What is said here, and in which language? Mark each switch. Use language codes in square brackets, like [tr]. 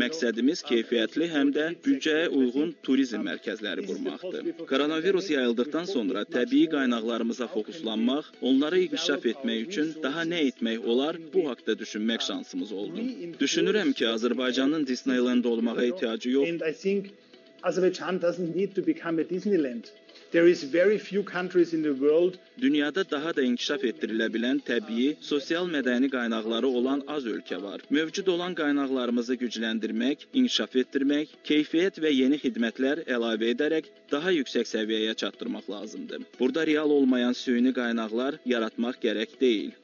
[az] Məqsədimiz keyfiyyətli həm də büdcəyə uyğun turizm mərkəzləri qurmaqdır. Koronavirus yayıldıqdan sonra təbii qaynaqlarımıza fokuslanmaq, onları inkişaf etmək üçün daha nə etmək olar, bu haqda düşünmək şansımız oldu. Düşünürəm ki, Azərbaycanın Disneyland olmağa ehtiyacı yox. [en] Azerbaijan doesn't need to become a Disneyland. There is very few countries in the world. [az] Dünyada daha da inkişaf ettirilə bilən təbii, sosial mədəni qaynaqları olan az ölkə var. Mövcud olan qaynaqlarımızı gücləndirmək, inkişaf ettirmək, keyfiyyət və yeni xidmətlər əlavə edərək daha yüksək səviyyəyə çatdırmaq lazımdır. Burada real olmayan süni qaynaqlar yaratmaq gərək deyil.